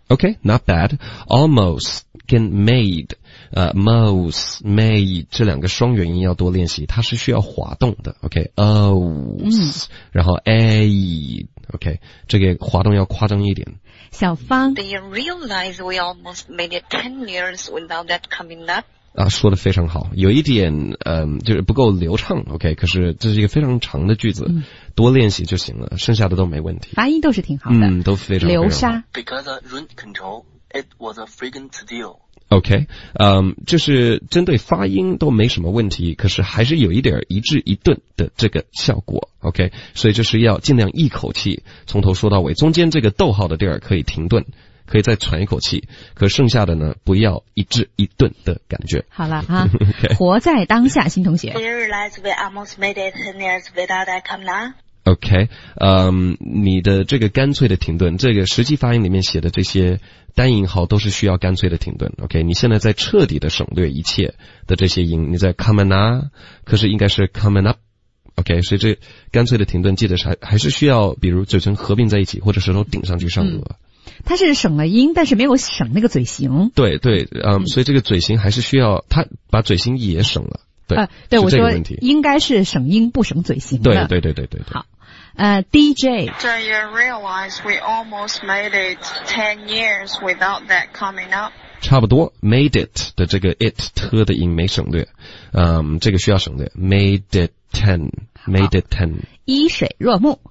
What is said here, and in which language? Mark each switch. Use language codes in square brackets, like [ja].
[en] Okay, not bad. [zh] Almost 跟 made, most, made, 这两个双元音要多练习，它是需要滑动的。 Okay,almost, 然后 a, okay, 这个滑动要夸张一点。小芳。 [en] Do you realize we almost made it 10 years without that coming up? [zh] 啊，说得非常好，有一点就是不够流畅 ,OK, 可是这是一个非常长的句子、嗯、多练习就行了，剩下的都没问题。发音都是挺好的。嗯，都非常流沙。 [en] Because of rent control, it was a frequent deal. [zh] OK, 就是针对发音都没什么问题，可是还是有一点一字一顿的这个效果 ,OK, 所以就是要尽量一口气从头说到尾，中间这个逗号的地儿可以停顿。可以再喘一口气，可剩下的呢，不要一字一顿的感觉。好了啊，活在当下，新同学。 [en] Do you realize we almost made it 10 years without that coming up? [zh] OK, 你的这个干脆的停顿，这个实际发音里面写的这些单音号都是需要干脆的停顿。 OK, 你现在在彻底的省略一切的这些音，你在 coming up, 可是应该是 coming up。 OK, 所以这干脆的停顿记得还是需要，比如嘴唇合并在一起，或者舌头顶上去上颚。嗯，它是省了音，但是没有省那个嘴型。对对，所以这个嘴型还是需要，它把嘴型也省了。对，对，我说应该是省音不省嘴型的。对对对对对对。好，DJ. [en] Do you realize we almost made it 10 years without that coming up? [zh] 差不多 ，made it 的这个 it 特的音没省略，这个需要省略 ， [en] made it ten，made it ten. [zh] 滴水若木。